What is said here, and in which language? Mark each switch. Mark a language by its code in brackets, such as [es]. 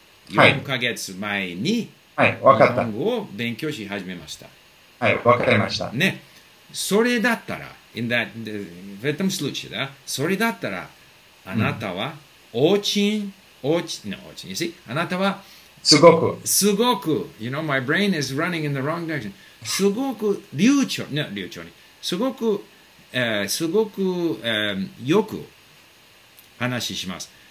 [ja] 4ヶ月前に日本語を勉強し始めました。はい、わかりました。ね、それだったら、 [en] in that, [ja] ベトムスルーチだ、それだったら、あなたは、あなたは、すごく、 [en] you know, my brain is running in the wrong direction. [ja] すごく流暢、ね、流暢に、すごくよく話します。